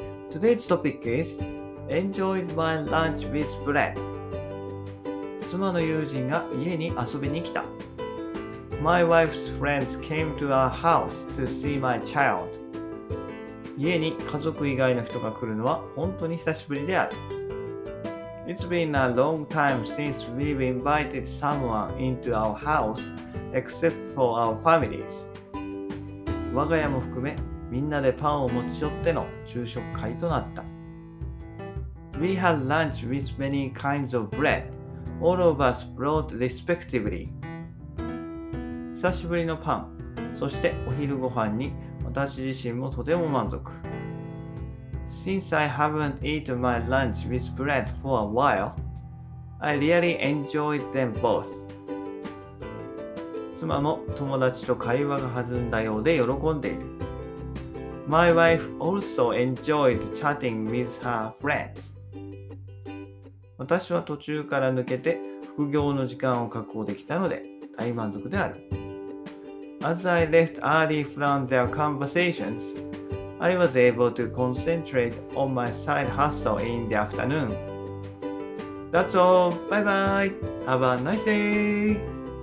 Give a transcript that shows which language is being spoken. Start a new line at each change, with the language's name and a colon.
English: Today's topic is Enjoy my lunch with Brett.
Japanese: 妻の友人が家に遊びに来た。
English: My wife's friends came to our house to see my child.
Japanese: 家に家族以外の人が来るのは本当に久しぶりである。
English: It's been a long time since we've invited someone into our house. Except for our families.
Japanese: 我が家も含め、みんなでパンを持ち寄っての昼食会となった。
English: We had lunch with many kinds of bread. All of us brought respectively.
Japanese: 久しぶりのパン、そしてお昼ご飯に私自身もとても満足。
English: Since I haven't eaten my lunch with bread for a while, I really enjoyed them both.
Japanese: 妻も友達と会話が弾んだようで喜んでいる。
English: My wife also enjoyed chatting with her friends.
Japanese: 私は途中から抜けて副業の時間を確保できたので大満足である。
English: As I left early from their conversations, I was able to concentrate on my side hustle in the afternoon. That's all. Bye bye. Have a nice day.